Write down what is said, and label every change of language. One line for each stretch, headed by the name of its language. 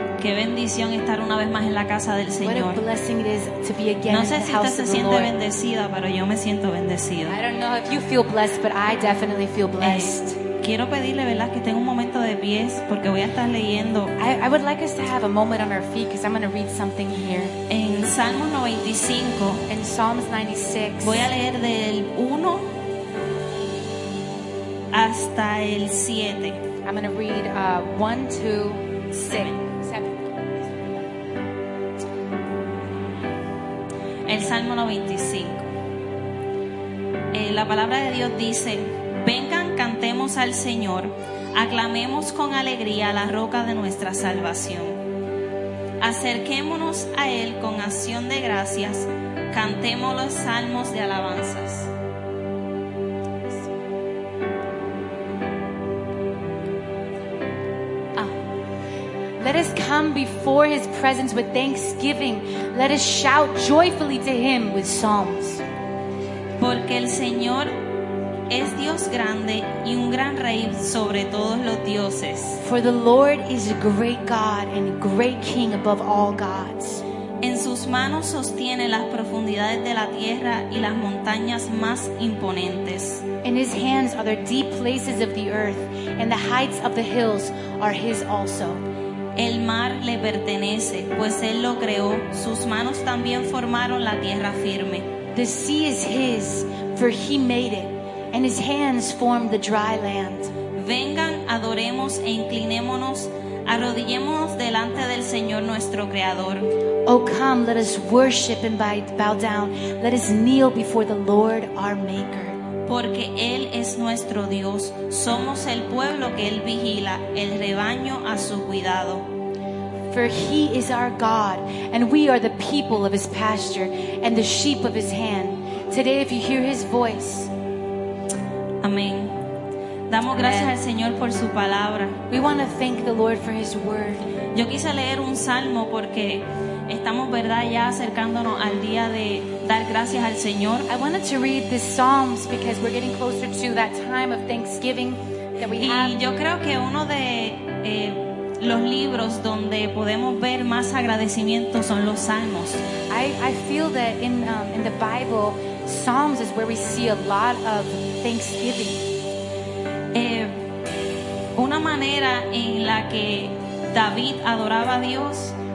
Spanish: Qué bendición estar una vez más en la casa del Señor.
English: What a blessing it is to be again
Spanish: No sé si usted se siente
English: Lord.
Spanish: Bendecida, pero yo me siento bendecida.
English: I don't know if you feel blessed, but I definitely feel blessed.
Spanish: Quiero pedirle, ¿verdad?, que tenga un momento de pies porque voy a estar leyendo.
English: I would like us to have a moment on our feet because I'm going to read something here.
Spanish: En Salmo 95,
English: in Psalms 96,
Spanish: voy a leer del 1 hasta el 7.
English: I'm going to read 1 to 7.
Spanish: El Salmo 95. La palabra de Dios dice: Vengan, cantemos al Señor, aclamemos con alegría la roca de nuestra salvación. Acerquémonos a Él con acción de gracias, cantemos los salmos de alabanzas.
English: Let us come before his presence with thanksgiving. Let us shout joyfully to him with psalms.
Spanish: Porque el Señor es Dios grande y un gran rey sobre todos los dioses.
English: For the Lord is a great God and a great king above all gods.
Spanish: En sus manos sostiene las profundidades de la tierra y las montañas más imponentes.
English: In his hands are the deep places of the earth, and the heights of the hills are his also.
Spanish: El mar le pertenece, pues él lo creó. Sus manos también formaron la tierra firme.
English: The sea is his, for he made it, and his hands formed the dry land.
Spanish: Vengan, adoremos e inclinémonos, arrodillémonos delante del Señor nuestro Creador.
English: Oh, come, let us worship and bow down. Let us kneel before the Lord our Maker.
Spanish: Porque Él es nuestro Dios, somos el pueblo que Él vigila, el rebaño a su cuidado.
English: For He is our God, and we are the people of His pasture, and the sheep of His hand. Today, if you hear His voice.
Spanish: Amén. Damos gracias al Señor por su palabra.
English: We want to thank the Lord for His word.
Spanish: Yo quise leer un salmo porque estamos, ¿verdad?, ya acercándonos al día de dar gracias al Señor.
English: I wanted to read the Psalms because we're getting closer to that time of Thanksgiving that we
Spanish: y
English: have.
Spanish: Y yo creo que uno de los libros donde podemos ver más agradecimiento son los Salmos.
English: I feel that in the Bible, Psalms is where we see a lot of thanksgiving.
Spanish: Una manera en la que David adoraba a Dios.